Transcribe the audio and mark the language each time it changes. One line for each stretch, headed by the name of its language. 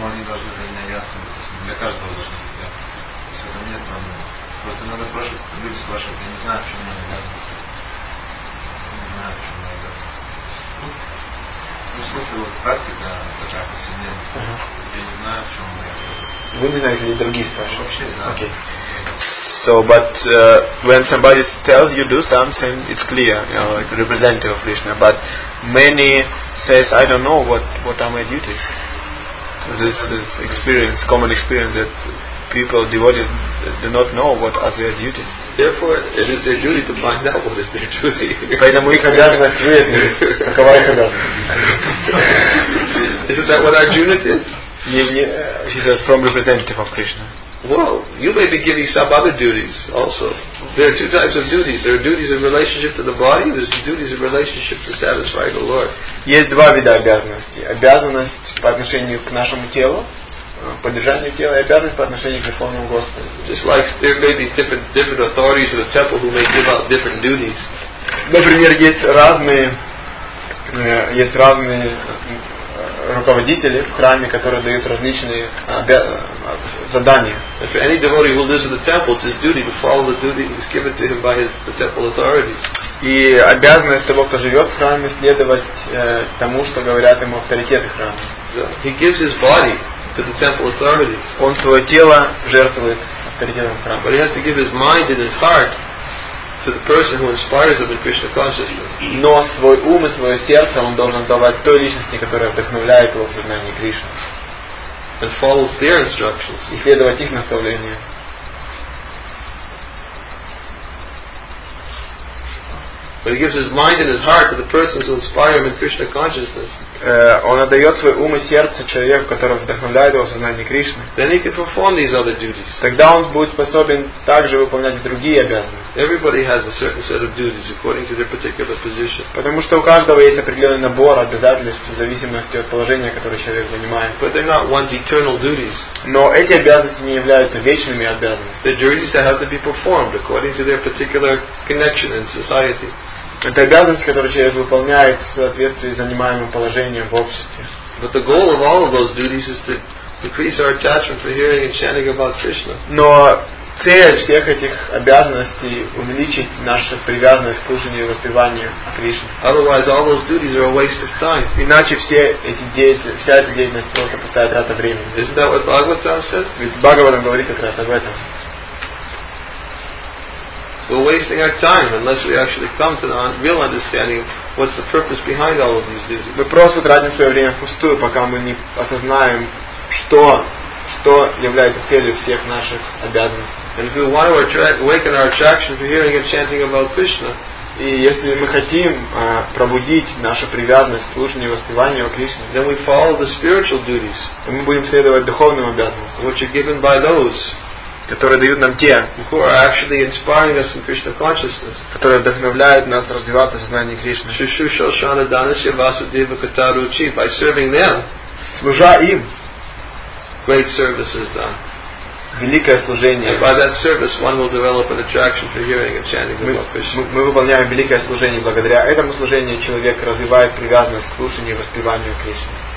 Russian: они должны для меня ясны, для каждого должны быть ясны. То есть это нет проблем. Просто иногда спрашивают, люди спрашивают, я не знаю, почему мне обязанности. Не знаю, почему мне обязанности. Ну, в смысле, вот практика такая повседневная. Я не знаю, в чем моя обязанность. Вы не знаете, или другие спрашивают? Вообще, да.
English: Okay. So, but when somebody tells you do something, it's clear, you know, like representative of Krishna. But many says, I don't know what are my duties. This is experience, common experience that people, devotees, do not know what are their duties. Therefore, it is their duty to find out what is their duty.
Russian: Поэтому их обязанность выяснить, какова их обязанность.
English: Isn't that what Arjuna did? Yeah. He says, from representative of Krishna. Well, you may be giving some other duties also. There are two types of duties. There are duties in relationship to the body, there's duties in relationship to satisfy the Lord.
Russian: Есть два вида обязанностей. Обязанность по отношению к нашему телу, поддержанию тела, и обязанность по отношению к Верховному Господу.
English: Just like there may be different authorities in the temple who may give out different duties.
Russian: Например, есть разные руководители в храме, которые дают различные задания.
English: If any devotee who lives in the temple, it's his duty to follow the duty that's given to him by the temple authorities.
Russian: И обязанность того, кто живет в храме, следовать тому, что говорят ему авторитеты храма.
English: He gives his body to the temple authorities.
Russian: Он свое тело жертвует авторитетам храма.
English: But he has to give his mind and his heart to the person who inspires them in Krishna consciousness.
Russian: Но свой ум и свое сердце он должен давать той личности, которая вдохновляет его в сознании Кришны.
English: And follows their instructions.
Russian: И следовать их наставлениям.
English: But he gives his mind and his heart to the person who inspires him in Krishna consciousness.
Russian: Он отдает свой ум и сердце человеку, который вдохновляет его в сознании Кришны.
English: Then he can perform these other duties.
Russian: Тогда он будет способен также выполнять другие обязанности.
English: Everybody has a certain set of duties according to their particular position.
Russian: Потому что у каждого есть определенный набор обязательств в зависимости от положения, которое человек занимает.
English: But they're not one's eternal duties.
Russian: Но эти обязанности не являются вечными обязанностями.
English: The duties that have to be performed according to their particular connection in society.
Russian: Это обязанность, которую человек выполняет в соответствии с занимаемым положением в обществе.
English: But the goal of all of those duties is to increase our attachment for hearing and chanting about Krishna.
Russian: Но цель всех этих обязанностей увеличить нашу привязанность к служению и воспеванию о Кришне.
English: Otherwise, all those duties are a waste of time.
Russian: Иначе вся эта деятельность просто пустая трата времени.
English: Isn't that what Bhagavatam says?
Russian: Ведь Бхагаватам говорит как раз об этом.
English: We're wasting our time unless we actually come to the real understanding of what's the purpose behind all of these duties.
Russian: Мы просто тратим свое время впустую, пока мы не осознаем, что является целью всех наших обязанностей.
English: And if we want to awaken our attraction for hearing and chanting about Krishna,
Russian: и если мы хотим пробудить нашу привязанность к служению и воспеванию о Кришне,
English: then we follow the spiritual duties,
Russian: то мы будем следовать духовным обязанностям,
English: which are given by those,
Russian: которые дают нам те,
English: who are actually inspiring us in Krishna consciousness,
Russian: которые вдохновляют нас развиваться в сознании Кришны.
Sanskrit: Шишу Шошана Данаси Васудева Катаручи.
English: By serving them,
Russian: служа им,
English: great service is done.
Russian: Великое служение.
English: And by that service, one will develop an attraction for hearing and chanting about Krishna.
Russian: Мы выполняем великое служение. Благодаря этому служению человек развивает привязанность к слушанию и воспеванию Кришны.